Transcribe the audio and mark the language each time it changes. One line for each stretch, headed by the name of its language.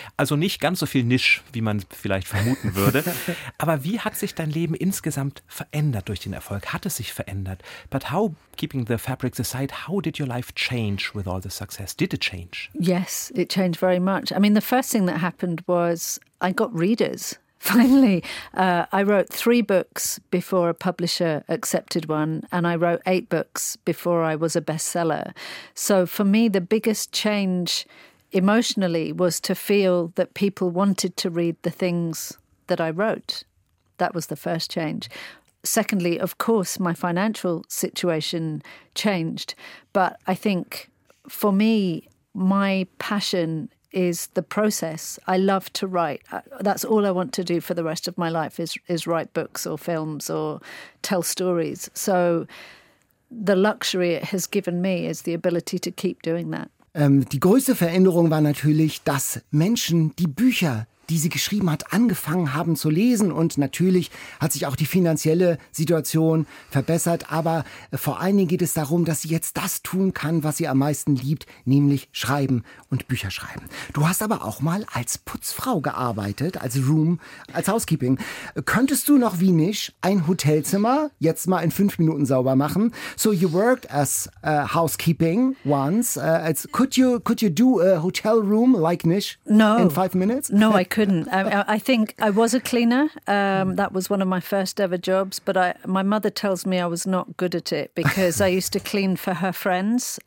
German: Also nicht ganz so viel Nisch, wie man vielleicht vermuten würde. Aber wie hat sich dein Leben insgesamt verändert durch den Erfolg? Hat es sich verändert?
English: But how, keeping the fabrics aside, how did your life change with all the success? Did it change? Yes, it changed very much. I mean, the first thing that happened was I got readers, finally. I wrote 3 books before a publisher accepted one, and I wrote 8 books before I was a bestseller. So for me, the biggest change emotionally was to feel that people wanted to read the things that I wrote. That was the first change. Secondly, of course, my financial situation changed. But I think for me, my passion is the process. I love to write. That's all I want to do for the rest of my life is write books or films or tell stories. So the luxury it has given me is the ability to keep doing that.
German: Die größte Veränderung war natürlich, dass Menschen die Bücher, die sie geschrieben hat, angefangen haben zu lesen. Und natürlich hat sich auch die finanzielle Situation verbessert. Aber vor allen Dingen geht es darum, dass sie jetzt das tun kann, was sie am meisten liebt, nämlich schreiben und Bücher schreiben. Du hast aber auch mal als Putzfrau gearbeitet, als Housekeeping. Könntest du noch wie Nisch ein Hotelzimmer jetzt mal in 5 Minuten sauber machen?
English: So you worked as housekeeping once. Could you do a hotel room like Nisch in 5 minutes? No, I couldn't. I think I was a cleaner. That was one of my first ever jobs. But my mother tells me I was not good at it because I used to clean for her friends.